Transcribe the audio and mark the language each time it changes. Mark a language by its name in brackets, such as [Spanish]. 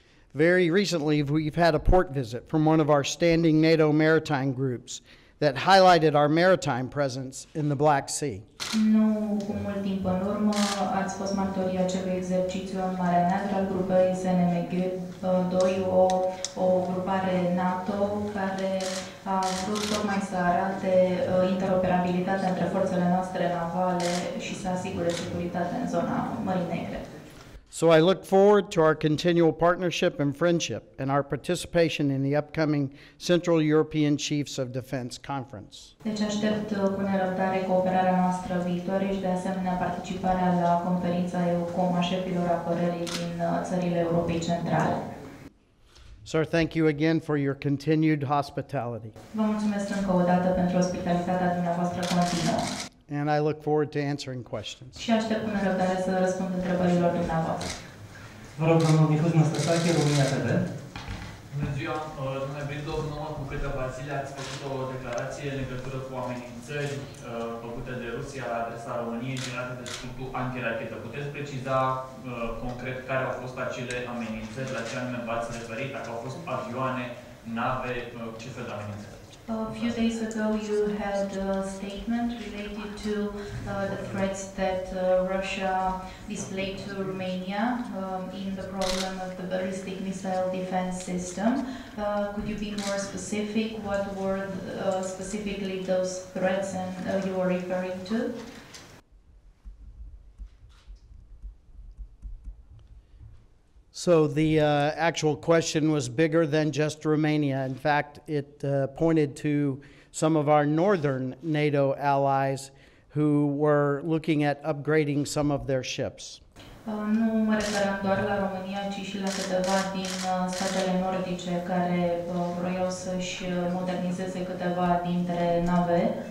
[English] Very recently, we've had a port visit from one of our standing NATO maritime groups that highlighted our maritime presence in the Black Sea. [Romanian] Nu cu mult timp în urmă ați fost martorii acelui exercițiu în Marea Neagră al grupării SNMG 2, o grupare NATO care a vrut tocmai să arate interoperabilitatea între forțele noastre navale și să asigure securitatea în zona Mării Negre. [English] So I look forward to our continual partnership and friendship and our participation in the upcoming Central European Chiefs of Defense Conference. [Romanian] Deci aștept cu nerăbdare cooperarea noastră viitoare și de asemenea participarea la conferința EUCOM a șefilor apărării din țările Europei Centrale. [English] Sir, thank you again for your continued hospitality. [Romanian] Vă mulțumesc încă o dată pentru ospitalitatea dumneavoastră continuă. [English] And I look forward to answering questions. [Romanian] Și aștept cu nerăbdare să răspund întrebărilor dumneavoastră. Vă rog, domnul Mihus Năstăsache, România TV. Bună ziua, domnule Brindov, în urmă cu câteva Vasile, ați făcut o declarație în legătură cu amenințări făcute de Rusia la adresa României generate de scutul antirachetă. Puteți preciza concret care au fost acele amenințări, la ce anume v-ați referit, dacă au fost avioane, nave, ce fel de amenințări? [English] A few days ago, you had a statement related to the threats that Russia displayed to Romania in the problem of the ballistic missile defense system. Could you be more specific? What were specifically those threats and you were referring to? So the actual question was bigger than just Romania. In fact, it pointed to some of our northern NATO allies who were looking at upgrading some of their ships. [Romanian] Nu mă referam doar la România, ci și la câteva din statele nordice care vroiau să-și modernizeze câteva dintre nave.